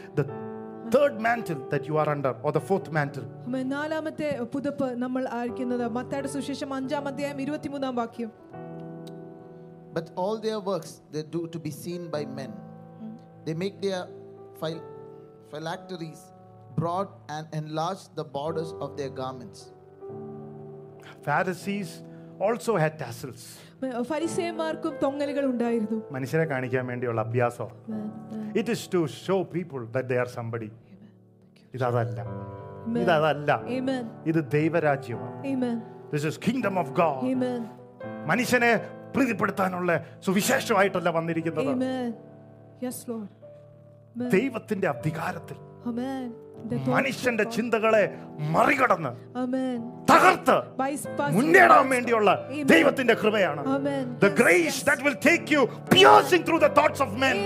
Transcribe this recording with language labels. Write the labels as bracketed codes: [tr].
[en] The third mantle that you are under, or the fourth mantle. Amen. [ml] നാലാമത്തെ പുതപ്പ് നമ്മൾ ആയിരിക്കുന്നത് മത്തായിയുടെ സുവിശേഷം 5:23. [en] But all their works they do to be seen by men. They make their phylacteries broad and enlarge the borders of their garments. Pharisees also had tassels. [ml] ഫരീസേമാർക്കും തൊങ്ങലുകൾ ഉണ്ടായിരുന്നു. മനുഷ്യരെ കാണിക്കാൻ വേണ്ടിയുള്ള അഭ്യാസം. [en] It is to show people that they are somebody. [ml] ഇതല്ല. ഇതല്ല. [en] Amen. [ml] ഇത് ദൈവരാജ്യമാണ്. [en] Amen. This is kingdom of God. Amen. [ml] മനുഷ്യനെ പ്രീതിപ്പെടുത്താനുള്ള സുവിശേഷമായിട്ടല്ല വന്നിരിക്കുന്നത്. [en] Amen. Yes Lord. [ml] ദൈവത്തിന്റെ അധികാരത്തിൽ. [en] Amen. [ml] മനുഷ്യന്റെ ചിന്തകളെ മറികടന്ന് [en] Amen. [ml] തകർത്ത് മുന്നേറാൻ വേണ്ടിയുള്ള ദൈവത്തിന്റെ കൃപയാണ്. [en] Amen. The grace that will take you piercing through the thoughts of men.